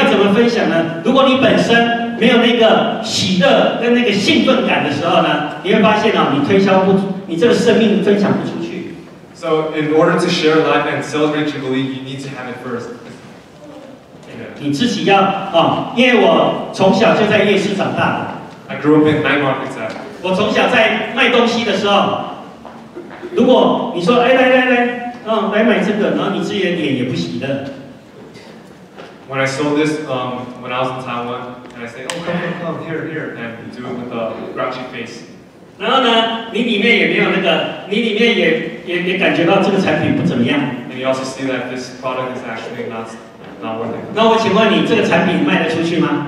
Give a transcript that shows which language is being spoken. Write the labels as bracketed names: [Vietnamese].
[Chinese] 好，弟兄姐妹，你知道我们在这个生命分享欢庆喜年，你要怎么分享呢？如果你本身 没有那个喜乐跟那个兴奋感的时候呢，你会发现哦，你推销不，你这个生命分享不出去。 [English] So in order to share life and celebrate Jubilee, you need to have it first. Yeah. [Chinese] 你自己要啊，因为我从小就在夜市长大。 [English] I grew up in night markets. [Chinese] 我从小在卖东西的时候，如果你说哎来来来，嗯，来买这个，然后你自己的脸也不洗的。 [English] When I sold this, when I was in Taiwan. And I say, oh, come, come, come, here, here, and do it with a grouchy face. [Chinese] 然后呢，你里面也没有那个，你里面也感觉到这个产品不怎么样。 [English] And you also see that this product is actually not worth it. [Chinese] 那我请问你，这个产品卖得出去吗？